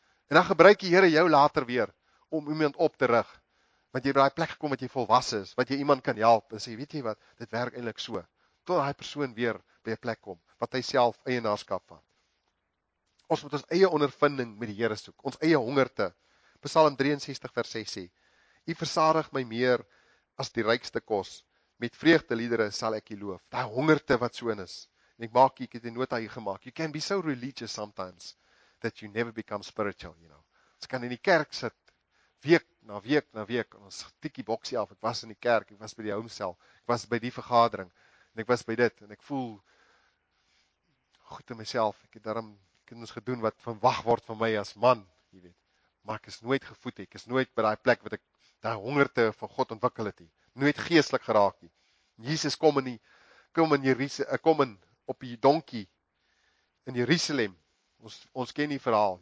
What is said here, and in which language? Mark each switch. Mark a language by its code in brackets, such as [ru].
[af] En dan gebruik die Here jou later weer om iemand op te rig. Want jy by daai plek gekom wat jy volwasse is, wat jy iemand kan help en sê, weet jy wat, dit werk eintlik so. Tot daai persoon weer by 'n plek kom wat hy self eienaarskap vat. Ons moet ons eie ondervinding met die Here soek, ons eie hongerte. Psalm 63 vers 6 sê: U versadig my meer as die rykste kos. Met vreugdeliedere sal ek U loof. Daai hongerte wat so in is. En ek maak ek het 'n nota hier gemaak. [en] You can be so religious sometimes that you never become spiritual, you know. [af] Ons kan in die kerk sit week na week na week en ons tik die boksie af. Ek was in die kerk, ek was by die home cell, ek was by die vergadering en ek was by dit en ek voel goed in myself. Ek het daarom kinders gedoen wat verwag word van my as man, jy weet. Maar ek is nooit gevoed nie. Ek is nooit by daai plek wat ek daai hongerte vir God ontwikkel het nie. Nooit geestelik geraak nie. Jesus kom in die kom in op die donkie in Jerusalem. Ons ken die verhaal.